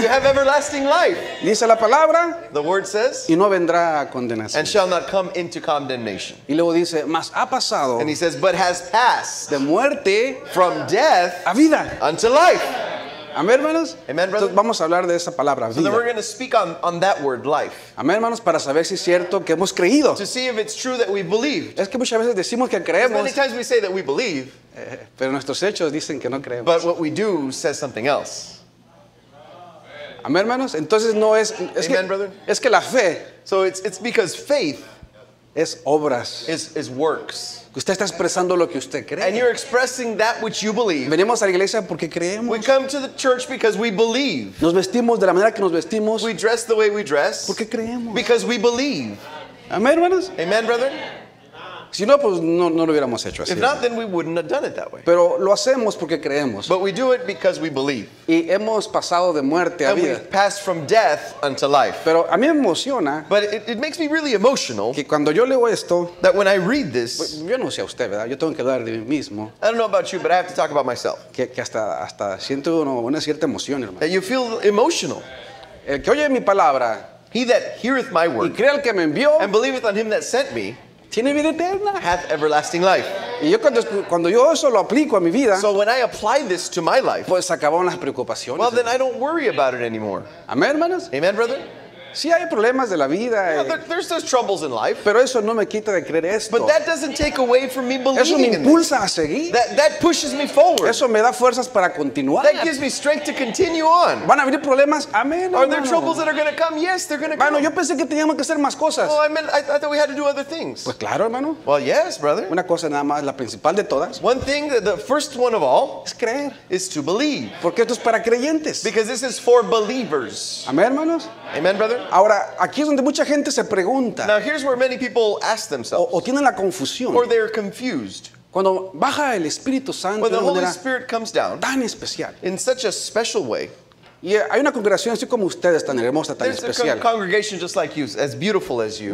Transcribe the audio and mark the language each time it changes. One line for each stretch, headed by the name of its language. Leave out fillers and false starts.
English: You have everlasting life.
Spanish: Dice la palabra.
English: The word says.
Spanish: Y no vendrá a condenación.
English: And shall not come into condemnation.
Spanish: Y luego dice, mas ha pasado.
English: And he says, but has passed.
Spanish: De muerte.
English: From death.
Spanish: A vida.
English: Unto life.
Spanish: Amén, hermanos.
English: Amen, brother.
Spanish: Entonces vamos a hablar de esa palabra, vida.
English: So then we're going to speak on that word, life.
Spanish: Amén, hermanos, para saber si es cierto que hemos creído.
English: To see if it's true that we believe.
Spanish: Es que muchas veces decimos que creemos.
English: Many times we say that we believe.
Spanish: Pero nuestros hechos dicen que no creemos.
English: But what we do says something else.
Spanish: Amén, hermanos. Entonces no es. Es
English: Amen,
Spanish: que,
English: brother.
Spanish: Es que la fe.
English: So it's because faith.
Spanish: Es obras.
English: Is works.
Spanish: Usted está expresando lo que usted cree.
English: And you're expressing that which you believe.
Spanish: Venimos a la iglesia porque creemos.
English: We come to the church because we believe.
Spanish: Nos vestimos de la manera que nos vestimos.
English: We dress the way we dress.
Spanish: Porque creemos.
English: Because we believe.
Spanish: Amén, hermanos.
English: Amen, brother.
Spanish: Si no, pues no lo hubiéramos hecho así.
English: If not, then we wouldn't have done it that way.
Spanish: Pero lo hacemos porque creemos.
English: But we do it because we believe.
Spanish: Y hemos pasado de muerte a
English: and
Spanish: vida.
English: And we've passed from death unto life.
Spanish: Pero a mí me emociona.
English: But it makes me really emotional.
Spanish: Que cuando yo leo esto.
English: That when I read this.
Spanish: Yo no sé a usted, ¿verdad? Yo tengo que hablar de mí mismo.
English: I don't know about you, but I have to talk about myself.
Spanish: Que hasta siento una cierta emoción, hermano.
English: That you feel emotional.
Spanish: El que oye mi palabra.
English: He that heareth my word.
Spanish: Y cree al que me envió.
English: And believeth on him that sent me.
Spanish: Tiene vida eterna.
English: Hath everlasting life.
Spanish: Y yo cuando yo eso lo aplico a mi vida.
English: So when I apply this to my life.
Spanish: Pues acabaron las preocupaciones.
English: Well, then I don't worry about it anymore.
Spanish: Amén, hermanos.
English: Amen, brother.
Spanish: Sí hay problemas de la vida.
English: Yeah, there's those troubles in life.
Spanish: Pero eso no me quita de creer esto.
English: But that doesn't take away from me believing.
Spanish: Eso me impulsa a seguir.
English: That pushes me forward.
Spanish: Eso me da fuerzas para continuar.
English: That gives me strength to continue on.
Spanish: Van a venir problemas, amén.
English: Are there troubles that are going to come? Yes, they're going to come.
Spanish: Bueno, yo pensé que teníamos que hacer más cosas.
English: Well, I thought we had to do other things.
Spanish: Pues claro, hermano.
English: Well, yes, brother.
Spanish: Una cosa nada más, la principal de todas.
English: One thing, the first one of all,
Spanish: es creer.
English: Is to believe.
Spanish: Porque esto es para creyentes.
English: Because this is for believers.
Spanish: Amén, hermanos.
English: Amen, brother.
Spanish: Ahora, aquí es donde mucha gente se pregunta.
English: Now, here's where many people ask themselves.
Spanish: O tienen la confusión.
English: Or they're confused.
Spanish: Cuando baja el Espíritu Santo,
English: when the Holy Spirit comes down,
Spanish: tan especial.
English: In such a special way.
Spanish: Y hay una congregación así como ustedes, tan hermosa, tan especial.
English: A congregation just like you, as beautiful as you.